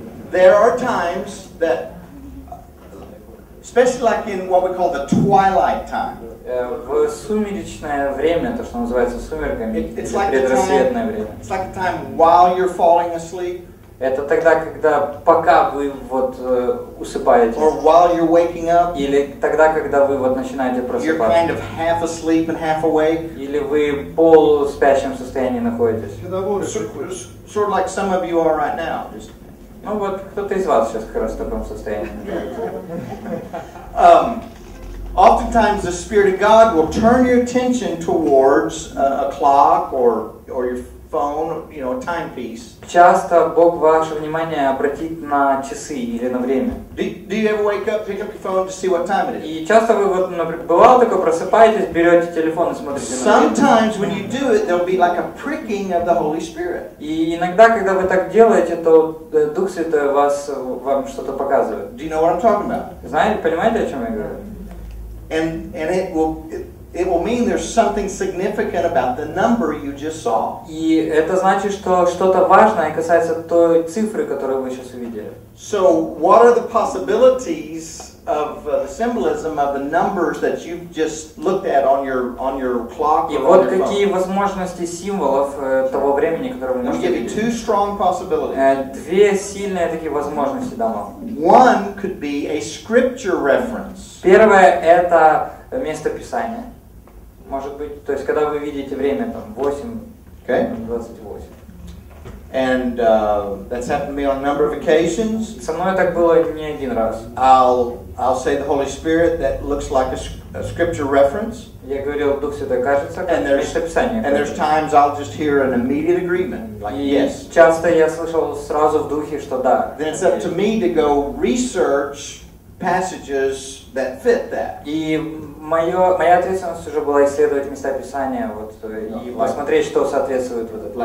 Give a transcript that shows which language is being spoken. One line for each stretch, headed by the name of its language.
English: There are times that, especially like in what we call the twilight time.
Russian: В сумеречное время, то, что называется сумерками, предрассветное время.
English: It's like the time while you're falling asleep.
Russian: Это тогда, когда пока вы вот усыпаетесь.
English: Or while you're waking up.
Russian: Или тогда, когда вы вот начинаете просыпаться.
English: You're kind of half asleep and half awake.
Russian: Или вы в полуспящем состоянии находитесь.
English: Sort of like some of you are right now.
Russian: Ну вот, кто-то из вас сейчас как раз в таком состоянии.
English: Oftentimes the Spirit of God will turn your attention towards a clock or your phone, you know, a timepiece.
Russian: Часто Бог ваше внимание обратит на часы или на время.
English: Do you ever wake up, pick up your phone to see what time it is?
Russian: И часто вы вот, бывало такое, просыпаетесь, берете телефон и смотрите на время.
English: Sometimes when you do it, there'll be like a pricking of the Holy Spirit.
Russian: И иногда, когда вы так делаете, то Дух Святой вам что-то показывает.
English: Do you know what I'm talking about?
Russian: Знаете, понимаете, о чем я говорю?
English: And it will mean there's something significant about the number you just saw.
Russian: И это значит, что что-то важное касается той цифры, которую вы сейчас увидели.
English: So what are the possibilities of the symbolism of the numbers that you've just looked at on your clock?
Russian: И вот какие возможности символов того времени, которое вы можете видеть.
English: Give you two strong possibilities.
Russian: Две сильные такие возможности дам вам.
English: One could be a scripture reference.
Russian: Первое это место писания. Может быть, то есть когда вы видите время там 8:28.
English: And that's happened to me on a number of occasions.
Russian: Со мной так было не один раз.
English: I'll say the Holy Spirit, that looks like a scripture reference.
Russian: Я говорил, Дух Святой, кажется, как место писания.
English: And there's times I'll just hear an immediate agreement, like yes.
Russian: Часто я слышал сразу в духе, что да.
English: Then it's up to me to go research passages that fit that.
Russian: И моя ответственность уже была исследовать места писания вот и посмотреть, что соответствует вот этому.